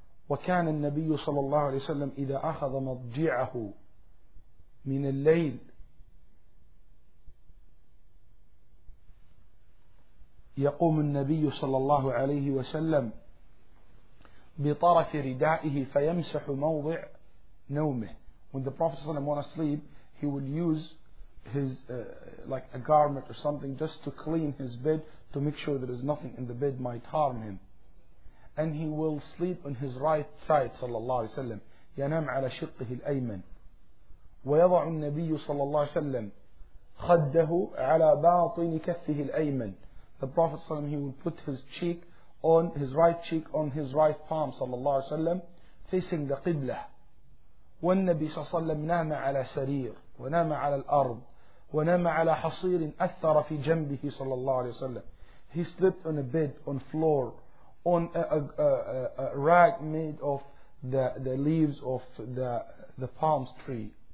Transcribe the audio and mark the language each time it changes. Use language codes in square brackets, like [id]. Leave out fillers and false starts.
[ar] وكان النبي صلى الله عليه وسلم إذا أخذ مضجعه من الليل يقوم النبي صلى الله عليه وسلم بطرف ردائه فيمسح موضع نومه. [en] When the Prophet [ar] صلى الله عليه وسلم [en] wants to sleep, he will use his like a garment or something just to clean his bed, to make sure there is nothing in the bed might harm him. And he will sleep on his right side [ar] صلى الله عليه وسلم, ينام على شقه الأيمن. ويضع النبي صلى الله عليه وسلم خده على باطن كفه الأيمن. [en] The Prophet [ar] صلى الله عليه وسلم, [en] he will put his cheek on his right cheek on his right palm صلى الله عليه وسلم, facing the قبلة. [ar] والنبي صلى الله عليه وسلم نام على سرير ونام على الأرض ونام على حصير أثر في جنبه صلى الله عليه وسلم. [en] He slept on a bed, on floor, on a rag made of the leaves of the palm tree.